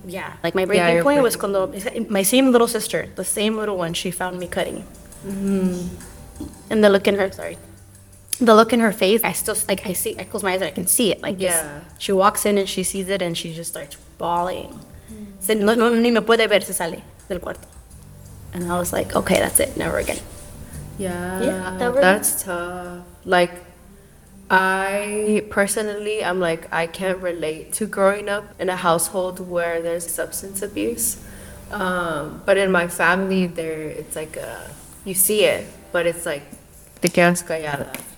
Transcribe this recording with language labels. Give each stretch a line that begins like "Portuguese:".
English: Yeah, like my breaking point was
Spanish: cuando,
English: my same little sister, the same little one, she found me cutting. Mm-hmm. And the look in her, the look in her face, I still, like, I see, I close my eyes and I can see it. Like, yeah. She walks in and she sees it and she just starts bawling.
Spanish: No, ni me puede ver, se sale del cuarto.
English: And I was like, okay, that's it, never again. That's tough. Like, I personally, I'm like, I can't relate to growing up in a household where there's substance abuse. But in my family, there, it's like a, you see it, but it's like,
Spanish: te quedas callada.